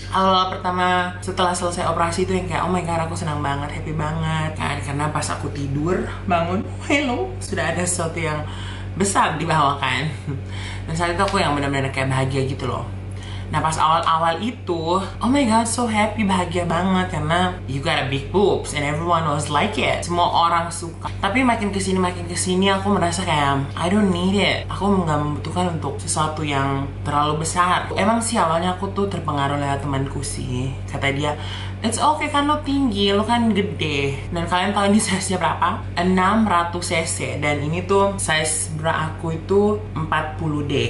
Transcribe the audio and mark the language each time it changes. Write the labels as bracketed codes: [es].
[id] Awal pertama setelah selesai operasi itu yang kayak [en] oh my god, [id] aku senang banget, happy banget kan? Karena pas aku tidur, bangun, hello, sudah ada sesuatu yang besar di bawah kan. Dan saat itu aku yang benar-benar kayak bahagia gitu loh. Nah pas awal-awal itu, [en] oh my god, so happy, [id] bahagia banget. [en] Karena you got a big boobs and everyone was like it. [id] Semua orang suka. Tapi makin kesini aku merasa kayak [en] I don't need it. [id] Aku gak membutuhkan untuk sesuatu yang terlalu besar. Emang sih awalnya aku tuh terpengaruh oleh temanku sih. Kata dia, [en] it's okay [id] kan lo tinggi, lo kan gede. Dan kalian tahu ini size-nya berapa? 600cc. Dan ini tuh size bra aku itu 40D.